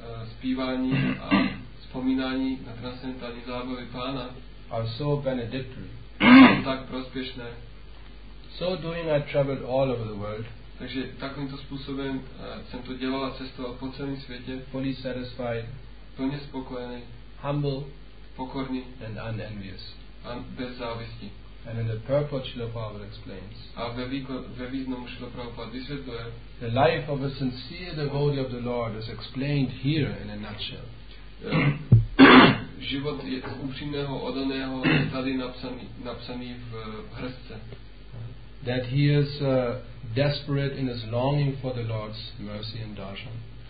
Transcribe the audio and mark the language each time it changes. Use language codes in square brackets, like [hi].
[cs] Zpívání a vzpomínání na transcendentální zábavy Pána [en] are so benedictory. [cs] Tak prospěšné. [en] So doing, I traveled all over the world. [cs] Takže takovýmto způsobem jsem to dělal a cestoval po celém světě. [en] Fully satisfied. [cs] Plně spokojený. [en] Humble. [cs] Pokorný. [en] And unenvious. [cs] A bez závisti. [en] And in the purport Srila Prabhupada explains, the life of a sincere devotee of the Lord is explained here in a nutshell. [cs] Život upřímného oddaného je tady napsaný v hrstce. [en] That he is desperate in his longing for the Lord's mercy and darshan.